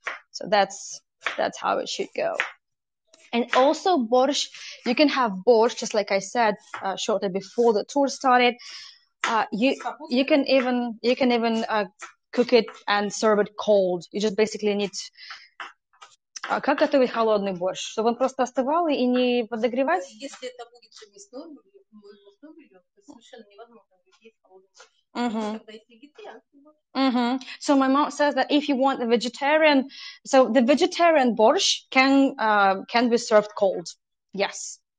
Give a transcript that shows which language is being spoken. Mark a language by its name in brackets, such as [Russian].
[English] So that's how it should go. And also borscht, you can have borscht, just like I said, shortly before the tour started. You can even cook it and serve it cold. You just basically need to... [Russian] Как готовить холодный борщ? Чтобы он просто остывал и не подогревать? Если это будет мясной блюдо, то совершенно невозможно есть холодный борщ. [English] So my mom says that if you want the vegetarian, so the vegetarian borscht can be served cold. Yes.